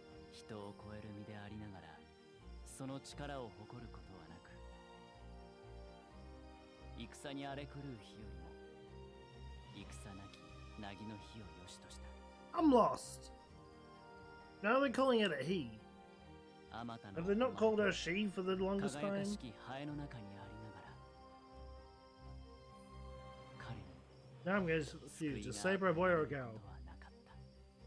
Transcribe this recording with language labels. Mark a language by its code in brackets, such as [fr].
[ja] 人を超える身でありながら、その力を誇ることはなく、戦に荒れ狂う日よりも戦なき凪の日を良しとした。 [en] I'm lost. Now they're calling it a he. Have they not called her she for the longest time? [ja] 輝かしきハエの中にありながら、彼に救いがあったのではなかった。